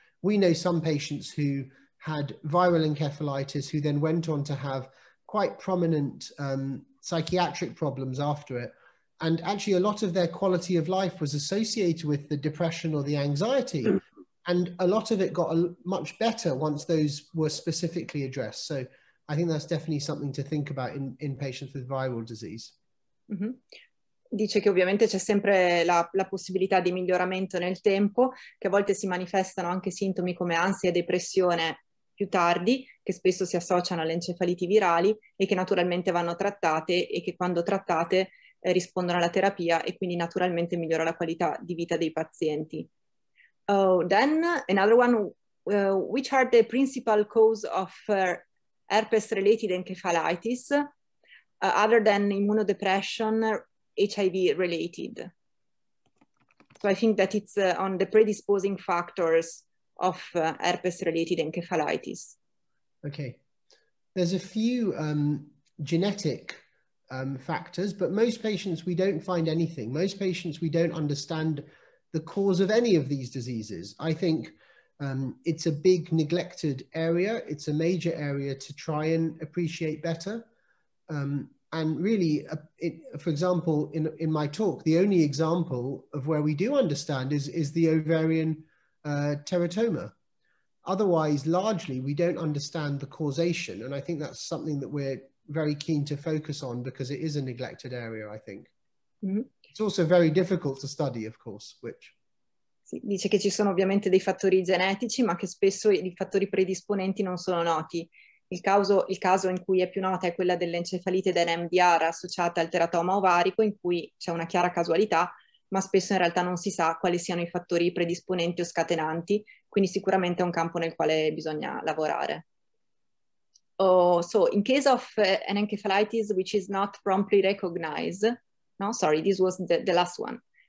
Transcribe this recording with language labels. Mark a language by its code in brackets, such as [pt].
[en] We know some patients who had viral encephalitis who then went on to have quite prominent psychiatric problems after it. And actually a lot of their quality of life was associated with the depression or the anxiety. And a lot of it got much better once those were specifically addressed. So I think that's definitely something to think about in patients with viral disease. Mm-hmm. [it] Dice che ovviamente c'è sempre la possibilità di miglioramento nel tempo, che a volte si manifestano anche sintomi come ansia e depressione più tardi, che spesso si associano alle encefaliti virali e che naturalmente vanno trattate, e che quando trattate rispondono alla terapia e quindi naturalmente migliora la qualità di vita dei pazienti. [en] Oh, then another one, which are the principal cause of herpes-related encephalitis, other than immunodepression, HIV-related? So I think that it's on the predisposing factors of herpes-related encephalitis. Okay. There's a few genetic factors, but most patients, we don't find anything. Most patients, we don't understand the cause of any of these diseases. I think it's a big neglected area. It's a major area to try and appreciate better. For example, in my talk, the only example of where we do understand is the ovarian teratoma. Otherwise, largely, we don't understand the causation. And I think that's something that we're very keen to focus on, because it is a neglected area, I think. Mm-hmm. It's also very difficult to study, of course, which... [it] Sì, dice che ci sono ovviamente dei fattori genetici, ma che spesso i fattori predisponenti non sono noti. Il caso in cui è più nota è quella dell'encefalite da NMDR associata al teratoma ovarico, in cui c'è una chiara casualità, ma spesso in realtà non si sa quali siano i fattori predisponenti o scatenanti, quindi sicuramente è un campo nel quale bisogna lavorare. [en] Oh, so in case of an encephalitis which is not promptly recognized, no, sorry, this was the last one.